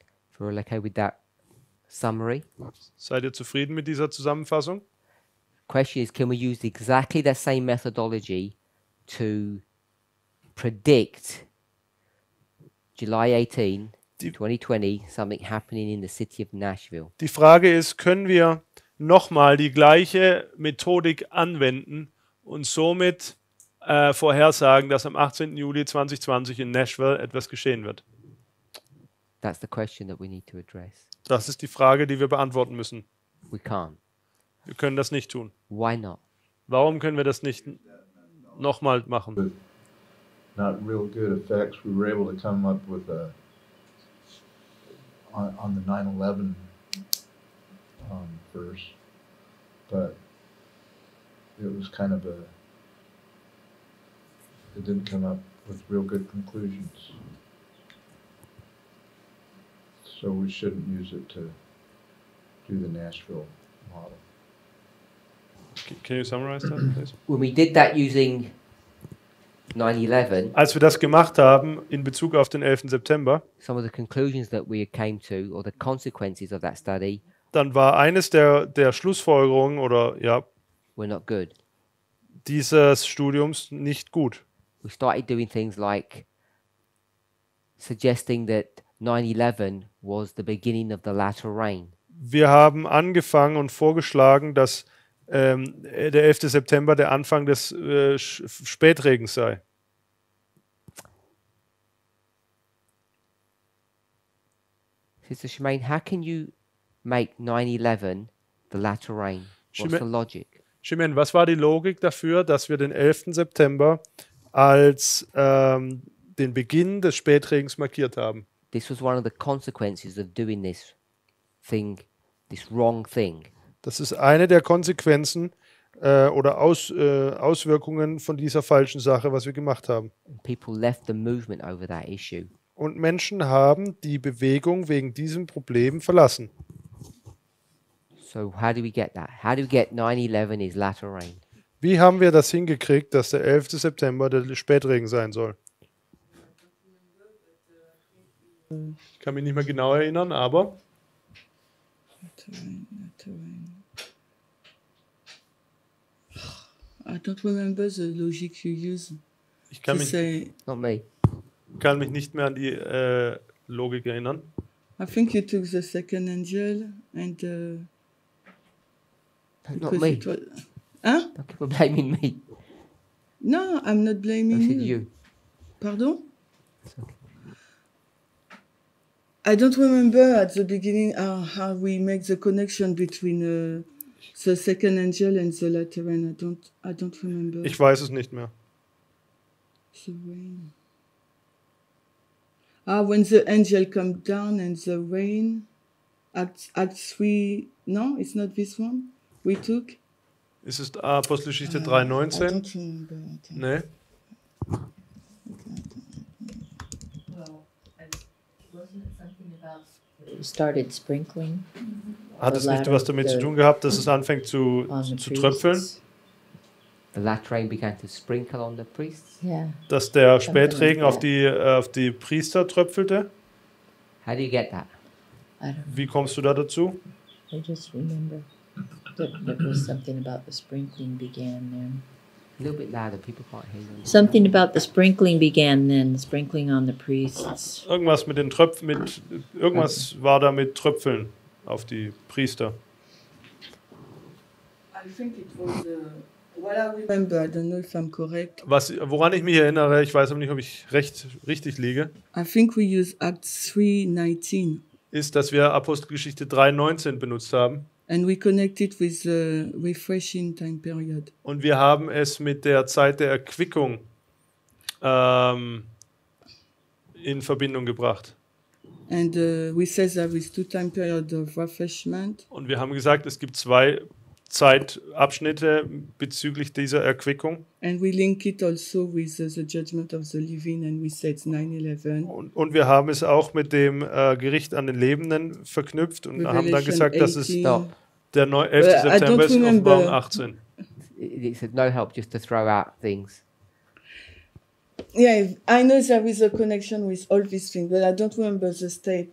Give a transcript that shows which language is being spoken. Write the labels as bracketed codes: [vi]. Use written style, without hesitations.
[en] If we're okay with that summary. [de] Seid ihr zufrieden mit dieser Zusammenfassung? [en] Question is, can we use exactly the same methodology to predict July 18, 2020, something happening in the city of Nashville? [de] Die Frage ist, können wir nochmal die gleiche Methodik anwenden und somit vorhersagen, dass am 18. Juli 2020 in Nashville etwas geschehen wird? [en] That's the question that we need to address. [de] Das ist die Frage, die wir beantworten müssen. [en] We can't. [de] Wir können das nicht tun. [en] Why not? [de] Warum können wir das nicht nochmal machen? [en] Not real good effects. We were able to come up with a on the 9/11 verse, but it was kind of a, it didn't come up with real good conclusions. So we shouldn't use it to do the Nashville model. Can you summarize that, please? When we did that using 9/11. [de] Als wir das gemacht haben in Bezug auf den 11. September. [en] Some of the conclusions that we came to, or the consequences of that study. [de] Dann war eines der Schlussfolgerungen oder ja. [en] Were not good. [de] Dieses Studiums nicht gut. [en] We started doing things like suggesting that 9/11 was the beginning of the latter rain. [de] Wir haben angefangen und vorgeschlagen, dass der 11. September der Anfang des Spätregens sei. [en] Sister Shemaine, how can you make 9/11 the latter rain? What's the logic? [de] Shemaine, was war die Logik dafür, dass wir den 11. September als den Beginn des Spätregens markiert haben? [en] This was one of the consequences of doing this thing, this wrong thing. [de] Das ist eine der Konsequenzen oder Auswirkungen von dieser falschen Sache, was wir gemacht haben. [en] People left the movement over that issue. [de] Und Menschen haben die Bewegung wegen diesem Problem verlassen. [en] So how do we get that? How do we get 9/11 is latter rain? [de] Wie haben wir das hingekriegt, dass der 11. September der Spätregen sein soll? Ich kann mich nicht mehr genau erinnern, aber... [en] I don't remember the logic you use. [de] Ich kann mich, say, [en] not me. [de] Kann mich nicht mehr an die Logik erinnern. [en] I think you took the second angel and not me. People blaming me. No, I'm not blaming you. You. Pardon? Okay. I don't remember at the beginning how we make the connection between the second angel and the latter rain. I don't remember. [de] Ich weiß es nicht mehr. [en] The rain. When the angel comes down and the rain acts 3. No, it's not this one we took. [de] Es ist Apostelgeschichte 3,19. Nee. Okay. [en] Started sprinkling. [de] Hat es nicht was damit zu tun gehabt, dass es anfängt zu tröpfeln? [en] The latter rain began to sprinkle on the priests. Yeah. [de] Dass der Spätregen auf die Priester tröpfelte? [en] How do you get that? [de] Wie kommst du da dazu? [en] I just remember that there was something about the sprinkling began then. A little bit louder, people can't hear you. Something about the sprinkling began then, sprinkling on the priests. [de] Irgendwas mit den Tröpfen, mit irgendwas war da mit Tröpfeln auf die Priester. [en] I think it was what I remember, I don't know if I'm correct. [de] Woran ich mich erinnere, ich weiß aber nicht, ob ich richtig liege. [en] I think we use Acts 3:19. [de] Ist, dass wir Apostelgeschichte 3:19 benutzt haben. [en] And we connect it with the refreshing time period. [de] Und wir haben es mit der Zeit der Erquickung in Verbindung gebracht. [en] And we say that with two time periods of refreshment. [de] Und wir haben gesagt, es gibt zwei Zeitabschnitte bezüglich dieser Erquickung. [en] And we link it also with the judgment of the living, and we said 9/11. [de] Und wir haben es auch mit dem Gericht an den Lebenden verknüpft und Revelation haben dann gesagt, 18. Dass es der 11. September ist, Offenbarung 18. [en] It's no help just to throw out things. Yeah, I know there is a connection with all these things, but I don't remember the step.